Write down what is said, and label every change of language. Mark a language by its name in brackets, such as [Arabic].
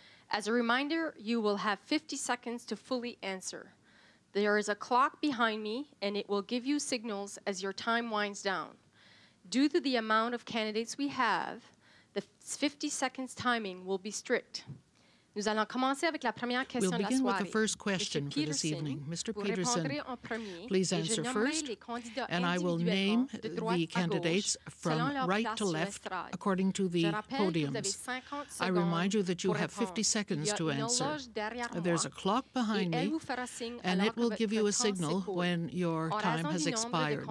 [English] As a reminder, you will have 50 seconds to fully answer. There is a clock behind me, and it will give you signals as your time winds down. Due to the amount of candidates we have, the 50 seconds timing will be strict. [French] Nous allons commencer avec la première question de la soirée. [English] We'll begin with the first question for this evening. Mr. Peterson, please answer first, and I will name the candidates from right to left according to the podiums. I remind you that you have 50 seconds to answer. There's a clock behind me, and it will give you a signal when your time has expired.